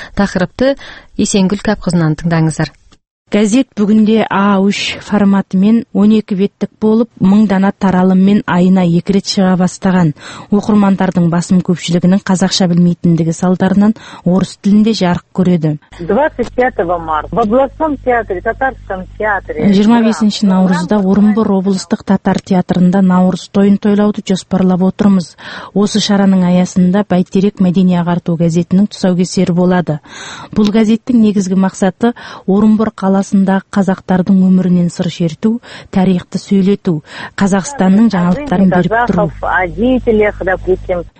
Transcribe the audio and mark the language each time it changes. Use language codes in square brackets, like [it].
[kk] Тақырыпты Есенгүл Кәпқызынан тыңдаңыздар. Газет бүгінде А3 форматымен 12 беттік болып, мың дана таралыммен айына 2 рет шыға бастаған. Оқырмандардың басым көпшілігінің қазақша білмейтіндігі салдарынан орыс тілінде жарық көреді. [ru] 25 марта в областном театре, татарском театре. [kk] 25 наурызда Орынбор облыстық татар театрында наурыз тойын тойлауды жоспарлап отырмыз. Осы шараның аясында Бәйтерек мәдени ағарту газетінің тұсаукесері болады. Бұл газеттің негізгі мақсаты Орынбор қаласында қазақтардың өмірінен сыр шерту, тарихты сөйлету, Қазақстанның жаңалықтарын беріп тұру.